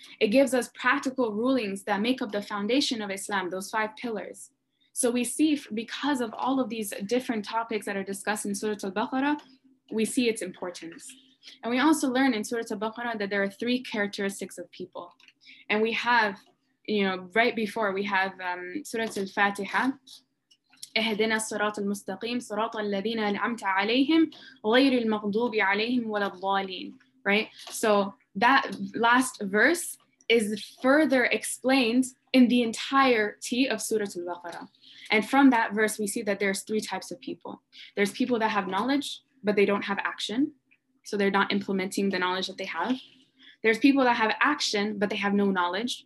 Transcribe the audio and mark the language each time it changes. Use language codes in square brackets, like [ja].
[en] It gives us practical rulings that make up the foundation of Islam, those 5 pillars. So we see, because of all of these different topics that are discussed in Surah Al-Baqarah, we see its importance. And we also learn in Surah Al-Baqarah that there are 3 characteristics of people. And we have, you know, right before we have Surah Al-Fatiha, [ar] اهدنا الصراط المستقيم صراط الذين أنعمت عليهم غير المغضوب عليهم ولا الضالين, [en] right? So that last verse is further explained in the entirety of Surah Al-Baqarah. And from that verse, we see that there's 3 types of people. There's people that have knowledge, but they don't have action. So they're not implementing the knowledge that they have. There's people that have action, but they have no knowledge.